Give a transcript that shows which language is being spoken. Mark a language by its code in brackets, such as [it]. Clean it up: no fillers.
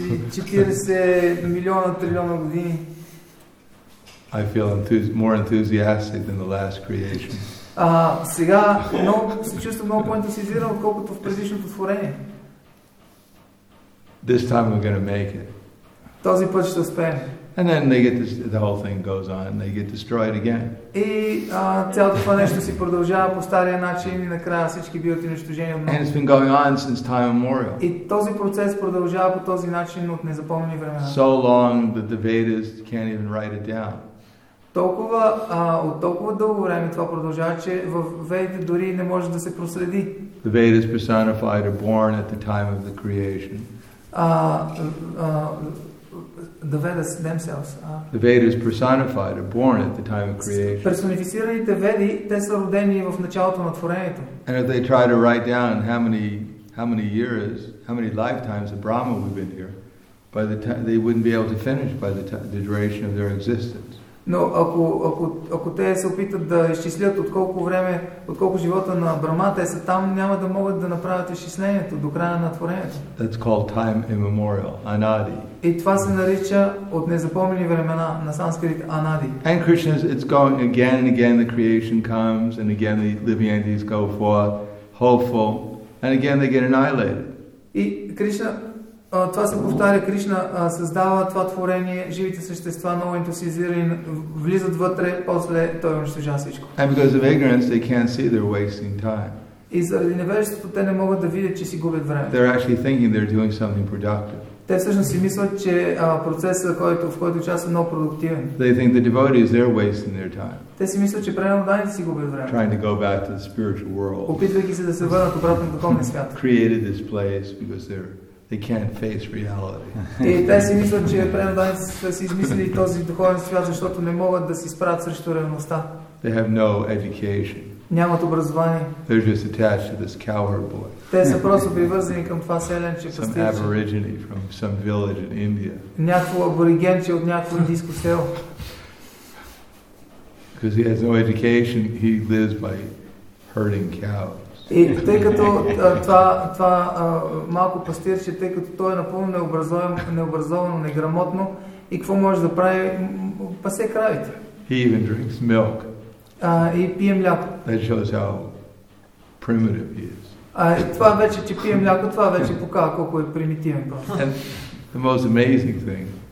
[en] 311 trillion 40 billion years. I feel more enthusiastic than the last creation. [bg] Сега се чувствам много по-ентусиазиран, колкото в предишното творение. [en] This time we're going to make it. [bg] Този път ще успеем. [en] And then they get the whole thing goes on and they get destroyed again. [bg] И цялото това нещо си продължава по стария начин и накрая всички биват унищожени отново. [en] And it's been going on since time immemorial. [bg] И този процес продължава по този начин от незапомнени времена. [en] So long that the Vedas can't even write it down. [bg] От толкова дълго време това продължава, че в Ведите дори не може да се проследи. [en] The Vedas personified are born at the time of the creation. The Vedas themselves. The Vedas personified are born at the time of creation. [bg] Персонифицираните Веди, те са родени в началото на творението. [en] And if they try to write down how many years, how many lifetimes of Brahma we've been here, by the time they wouldn't be able to finish by the duration of their existence. [bg] Но ако те се опитат да изчислят от колко време, от колко живота на Брама те са там, няма да могат да направят изчислението до края на творението. [en] That's called time immemorial, anadi. [bg] И това се нарича от незапомнени времена на санскрит анади. [en] And Krishna, it's going again and again, the creation comes and again the living entities go forth, hopeful, and again they get annihilated. [bg] И Кришна, това се повтаря, Кришна създава това творение, живите същества, много ентусиазирани, влизат вътре, после той унищожава всичко. [en] And because of ignorance, they can't see they're wasting time. [bg] И заради невежеството те не могат да видят, че си губят време. [en] They're actually thinking they're doing something productive. [bg] Те всъщност си мислят, че процесът, в който участва, е много продуктивен. [en] They think the devotees, they're wasting their time. [bg] Те си мислят, че преноданите си губят време. [en] Trying to go back to the spiritual world. [bg] Опитвайки се да се върнат обратно в духовния свят. [en] Created this place because they can't face reality. [bg] И те си мислят, че преноданите си измислили този духовен свят, защото не могат да се изправят срещу реалността. [en] They have no education. [bg] Нямат образование. [en] They're just attached to this cowherd boy. [bg] Те са просто привързани към това селенче. [en] Some aborigine from some village in India. [bg] Някакво аборигенче от някакво индийско село. [en] Because he has no education, he lives by herding cows. [bg] И тъй като това малко пастирче, тъй като той е напълно необразовано, неграмотно, и какво може да прави? Пасе кравите. [en] He even drinks milk. [bg] И пие мляко. [en] That shows how primitive he is. [bg] Това вече, че пие мляко, това вече показва колко е примитивен. [en] And the most amazing thing.